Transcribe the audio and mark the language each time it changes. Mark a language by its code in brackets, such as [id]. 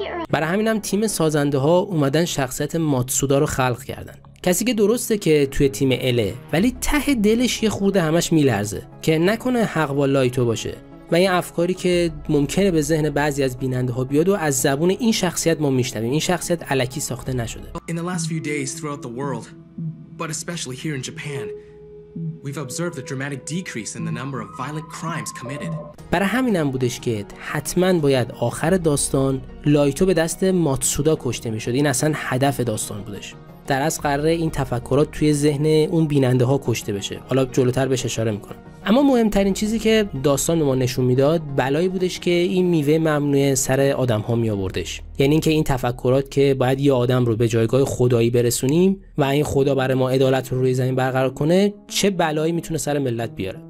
[fa] برای همینم تیم سازنده ها اومدن شخصیت ماتسودا رو خلق کردن، کسی که درسته که توی تیم اله ولی ته دلش یه خورده همش میلرزه که نکنه حق با لایتو باشه. و این افکاری که ممکنه به ذهن بعضی از بیننده ها بیاد و از زبون این شخصیت ما میشنویم، این شخصیت الکی ساخته نشده. [en] In the last few days throughout the world, but especially here in Japan, we've observed a dramatic decrease in the number of violent crimes committed. [fa] برای همینم بودش که حتما باید آخر داستان لایتو به دست ماتسودا کشته میشد. این اصلا هدف داستان بودش. در اصل قراره این تفکرات توی ذهن اون بیننده ها کشته بشه. حالا جلوتر بهش اشاره میکنم. اما مهمترین چیزی که داستان ما نشون میداد بلایی بودش که این میوه ممنوعه سر آدم ها می آوردش، یعنی اینکه این تفکرات که باید یه آدم رو به جایگاه خدایی برسونیم و این خدا برای ما عدالت رو روی زمین برقرار کنه چه بلایی میتونه سر ملت بیاره.